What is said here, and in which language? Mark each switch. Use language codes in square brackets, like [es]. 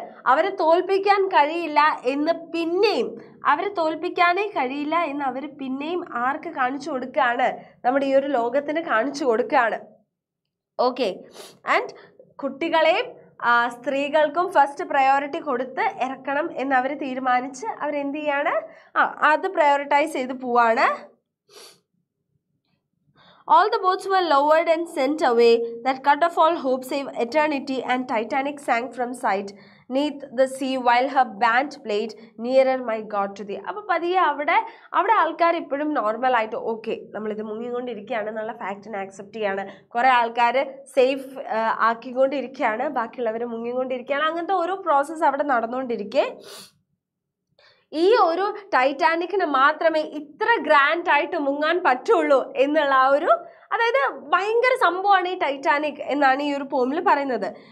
[ml] അവരെ തോൽപ്പിക്കാൻ കഴിയില്ല എന്ന് പിന്നെയും, അവരെ തോൽപ്പിക്കാനേ കഴിയില്ല എന്ന് അവർ പിന്നെയും ആർക്ക് കാണിച്ചു കൊടുക്കുകയാണ്, നമ്മുടെ ഈ ഒരു ലോകത്തിന് കാണിച്ചു കൊടുക്കുകയാണ്. ഓക്കെ, ആൻഡ് കുട്ടികളെയും സ്ത്രീകൾക്കും ഫസ്റ്റ് പ്രയോറിറ്റി കൊടുത്ത് ഇറക്കണം എന്നവർ തീരുമാനിച്ച് അവരെന്ത് ചെയ്യാണ്, അത് പ്രയോറിറ്റൈസ് ചെയ്ത് പോവാണ്. [en] All the boats were lowered and sent away that cut off all hope save eternity, and Titanic sank from sight neath the sea while her band played nearer my god to thee. [ml] അപ്പോൾ പതിയെ അവിടെ ആൾക്കാർ ഇപ്പോഴും normal ആയിട്ട് okay, നമ്മളിത് മുങ്ങിക്കൊണ്ടിരിക്കുകയാണ് എന്നുള്ള ഫാക്റ്റിനെ accept ചെയ്യാണ്. കുറേ ആൾക്കാർ സേഫ് ആക്കിക്കൊണ്ടിരിക്കുകയാണ്, ബാക്കിയുള്ളവർ മുങ്ങിക്കൊണ്ടിരിക്കുകയാണ്. അങ്ങനത്തെ ഓരോ പ്രോസസ്സ് അവിടെ നടന്നുകൊണ്ടിരിക്കെ ഈ ഒരു ടൈറ്റാനിക്കിന് മാത്രമേ ഇത്ര ഗ്രാൻഡ് ആയിട്ട് മുങ്ങാൻ പറ്റുള്ളൂ എന്നുള്ള ആ ഒരു, അതായത് ഭയങ്കര സംഭവമാണ് ഈ ടൈറ്റാനിക് എന്നാണ് ഈ ഒരു പോമിൽ പറയുന്നത്.